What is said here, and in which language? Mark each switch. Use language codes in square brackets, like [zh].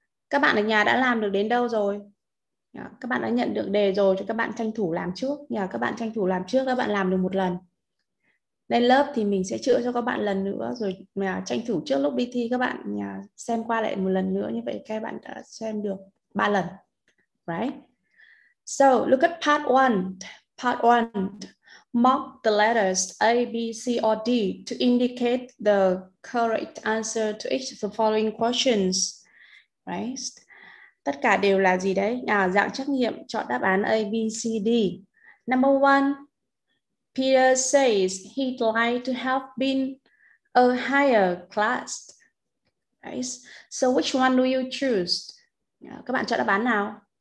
[vi] Các bạn ở nhà đã làm được đến đâu rồi? Yeah. Các bạn đã nhận được đề rồi, cho các bạn tranh thủ làm trước. Yeah. Các bạn tranh thủ làm trước, các bạn làm được một lần. Lên lớp thì mình sẽ chữa cho các bạn lần nữa, rồi tranh thủ trước lúc đi thi các bạn xem qua lại một lần nữa, như vậy các bạn đã xem được 3 lần. [en] Right? So, look at part 1. Part 1. Mark the letters A, B, C or D to indicate the correct answer to each of the following questions. [vi] Right? Tất cả đều là gì đấy? Dạng trắc nghiệm, chọn đáp án A, B, C, D. [en] Number 1. Peter says he'd like to have been a higher class. Right? So which one do you choose? [vi] Các bạn chọn đáp án nào?